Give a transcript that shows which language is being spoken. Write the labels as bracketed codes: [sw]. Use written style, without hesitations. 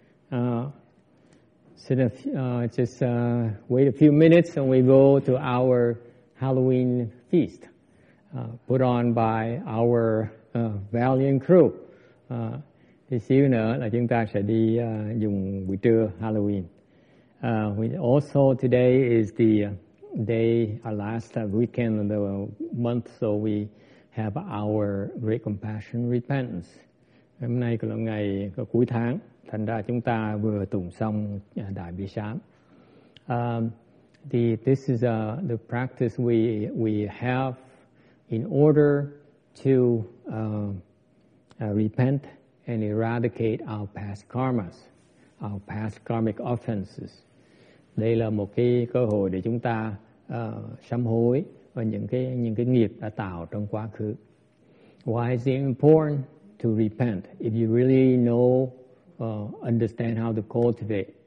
[en] Wait a few minutes and we go to our Halloween feast, put on by our valiant crew. [vi] Tí xíu nữa là chúng ta sẽ đi dùng buổi trưa Halloween. [en] Also, today is the day, our last weekend of the month, so we have our Great Compassion Repentance. [vi] Hôm nay là ngày cuối tháng, thành ra chúng ta vừa tụng xong Đại Bi Sám. [en] This is the practice we have in order to repent and eradicate our past karmas, our past karmic offenses. [vi] Đây là một cái cơ hội để chúng ta sám hối và những cái nghiệp đã tạo trong quá khứ. [en] Why is it important to repent? If you really know, understand how to cultivate.